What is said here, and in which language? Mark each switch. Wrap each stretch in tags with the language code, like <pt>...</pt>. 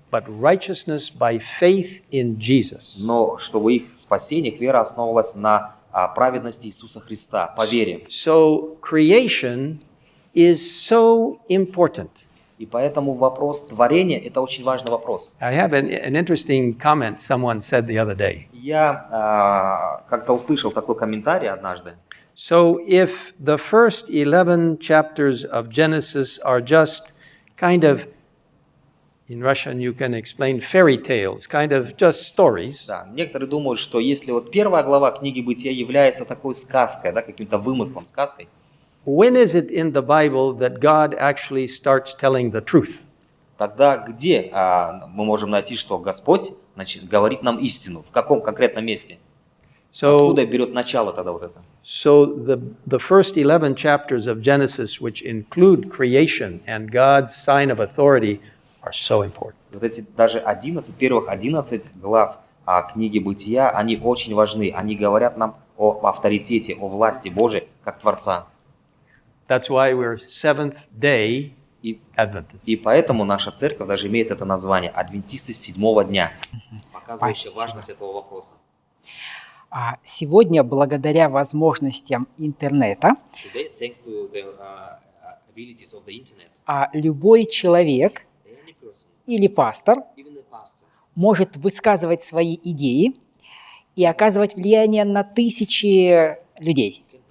<en>But righteousness by faith in Jesus.</en> <ru>Но чтобы их спасение, их вера основывалась на праведности Иисуса Христа, по вере.</ru> <en>So creation is so important.</en> <ru>И поэтому вопрос творения – это очень важный вопрос.</ru> <en>I have an interesting comment someone said the other day.</en> <ru>Я как-то услышал такой комментарий однажды.</ru> <en>So if the first 11 chapters of Genesis are just kind of, in Russian you can explain fairy tales, kind of just stories.</en> <ru>Да, некоторые думают, что если вот первая глава книги Бытия является такой сказкой, да, каким-то вымыслом, сказкой.</ru> <en>When is it in the Bible that God actually starts telling the truth?</en> <ru>Тогда где мы можем найти, что Господь, значит, говорит нам истину? В каком конкретном месте?</ru> <en>So,</en> <ru>откуда берет начало тогда вот это?</ru> <en>So the first 11 chapters of Genesis, which include creation and God's sign of authority, are so important.</en> <ru>Вот эти даже 11, первых 11 глав книги Бытия, они очень важны. Они говорят нам о авторитете, о власти Божьей как Творца.</ru> <en>That's why we're Seventh-day Adventists.</en> <ru>И поэтому наша церковь даже имеет это название «Адвентисты седьмого дня», показывающее важность этого вопроса. Сегодня, благодаря возможностям интернета,</ru> <en>today, thanks to the abilities of the internet,</en> <ru>любой человек или пастор,</ru> <en>even the pastor,</en> <ru>может высказывать свои идеи и оказывать влияние на тысячи людей.</ru>